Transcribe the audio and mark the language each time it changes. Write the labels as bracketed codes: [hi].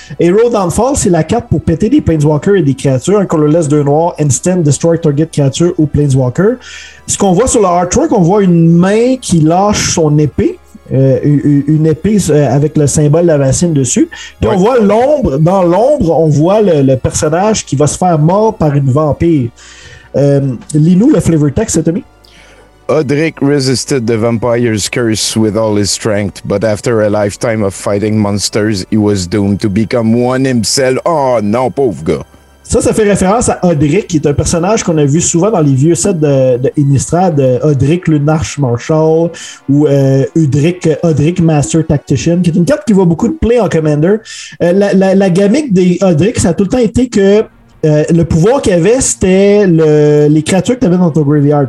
[fr] Hero Downfall, c'est la carte pour péter des Planeswalkers et des créatures, un colorless 2 noir, instant, destroy target créature ou Planeswalker. Ce qu'on voit sur le artwork, on voit une main qui lâche son épée. Une épée avec le symbole de la racine dessus. Puis ouais. On voit l'ombre. Dans l'ombre, on voit le personnage qui va se faire mort par une vampire. Lis-nous le flavor text, Tommy. [en] Odric resisted the vampire's curse with all his strength, but after a lifetime of fighting monsters, he was doomed to become one himself. [fr] Oh non, pauvre gars. Ça fait référence à Odric, qui est un personnage qu'on a vu souvent dans les vieux sets de Innistrad, Odric Lunarche Marshall ou Odric Master Tactician, qui est une carte qui voit beaucoup de play en Commander. La gamique des Odric, ça a tout le temps été que le pouvoir qu'il avait, c'était les créatures que tu avais dans ton graveyard.